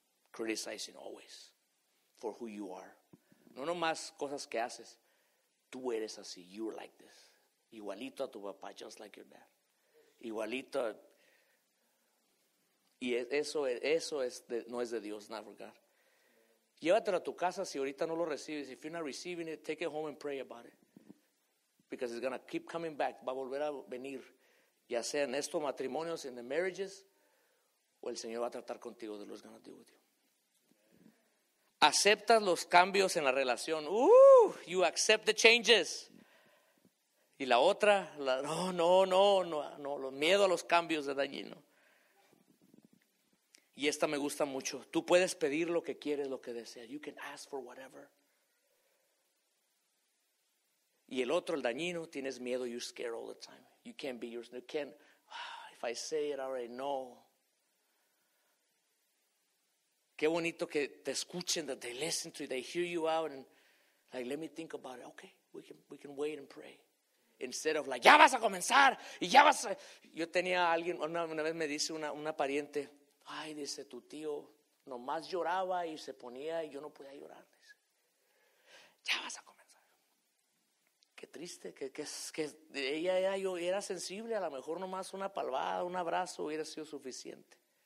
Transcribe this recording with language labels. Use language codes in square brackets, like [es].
[en] Criticizing always. For who you are. [es] No nomás cosas que haces. Tú eres así. [en] You're like this. [es] Igualito a tu papá. [en] Just like your dad. [es] Igualito. Y eso es de, no es de Dios. [en] Not for God. [es] Llévatelo a tu casa si ahorita no lo recibes. [en] If you're not receiving it, take it home and pray about it. Because it's going to keep coming back. [es] Va a volver a venir. Ya sea en estos matrimonios, [en] in the marriages, [es] o el Señor va a tratar contigo. [en] The Lord's going to deal with you. [es] Aceptas los cambios en la relación. [en] You accept the changes. [es] Y la otra, no, los miedos a los cambios de dañino. Y esta me gusta mucho. Tú puedes pedir lo que quieres, lo que deseas. [en] You can ask for whatever. [es] Y el otro, el dañino, tienes miedo. [en] You're scared all the time. You can't be yours. You can't. If I say it, I already know. [es] Qué bonito que te escuchen, [en] that they listen to you, they hear you out, and like, let me think about it. Okay, we can wait and pray. Instead of like, [es] ya vas a comenzar, y ya vas a... Yo tenía alguien, una vez me dice una pariente, ay, dice, tu tío nomás lloraba y se ponía, y yo no podía llorar. Dice, ya vas a comenzar. Qué triste, que ella era, yo era sensible, a lo mejor nomás una palmada, un abrazo hubiera sido suficiente.